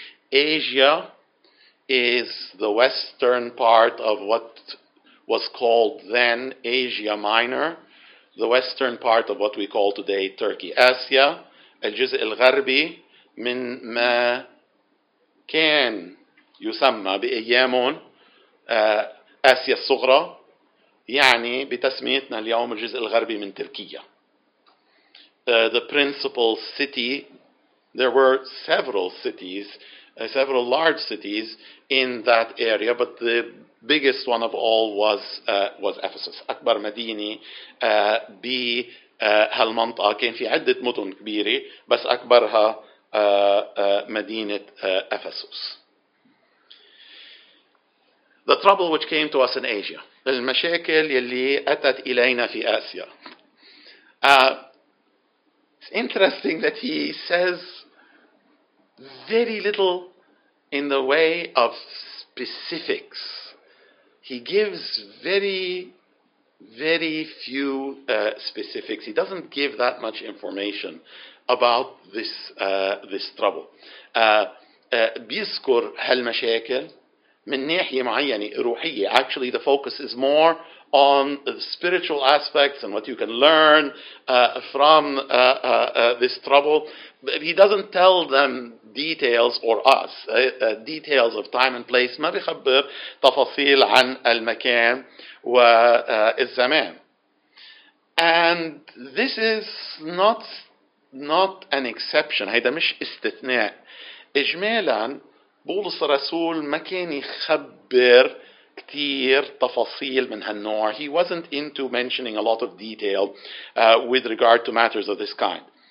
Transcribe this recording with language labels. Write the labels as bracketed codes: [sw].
[en] Asia is the western part of what was called then Asia Minor, the western part of what we call today Turkey. [ar] Asia, الجزء الغربي من ما كان يسمى بأيامون آسيا الصغرى يعني بتسميتنا اليوم الجزء الغربي من تركيا. [en] The principal city, there were several cities, several large cities in that area, but the biggest one of all was Ephesus. [ar] أكبر مدينة بهالمنطقة كان في عدة مدن كبيرة بس أكبرها مدينة Ephesus. [en] The trouble which came to us in Asia. [ar] المشاكل يلي أتت إلينا في آسيا. [en] It's interesting that he says very little in the way of specifics. He gives very, very few specifics. He doesn't give that much information about this trouble. [ar] بيذكر هالمشاكل من ناحية معينة روحية. [en] Actually, the focus is more on the spiritual aspects and what you can learn from this trouble. But he doesn't tell them details or us details of time and place. [ar] ما بيخبر تفاصيل عن المكان والزمان. [en] And this is not an exception. [ar] هيدا مش استثناء. إجمالا بولس الرسول ما كان يخبر كتير تفاصيل من هالنوع. [en] He wasn't into mentioning a lot of detail with regard to matters of this kind.